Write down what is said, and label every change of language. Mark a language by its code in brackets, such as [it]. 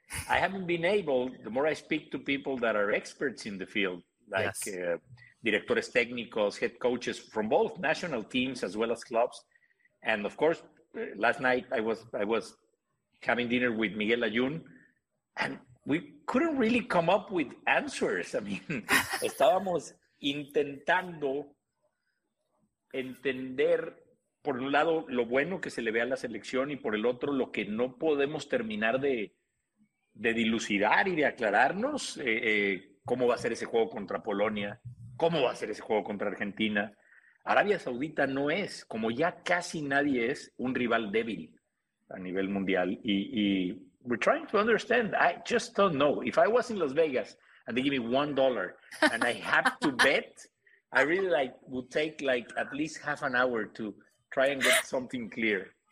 [en] I haven't been able, the more I speak to people that are experts in the field, like [es] directores técnicos, [en] head coaches from both national teams as well as clubs. And of course, last night I was having dinner with Miguel Ayun, and we couldn't really come up with answers. I mean, [es] estábamos intentando entender, por un lado, lo bueno que se le ve a la selección, y por el otro, lo que no podemos terminar de dilucidar y de aclararnos, cómo va a ser ese juego contra Polonia, cómo va a ser ese juego contra Argentina. Arabia Saudita no es, como ya casi nadie es, un rival débil a nivel mundial. [en] Y we're trying to understand. I just don't know. If I was in Las Vegas and they give me $1 and I have to bet, I really like would take like at least half an hour to try and get something clear.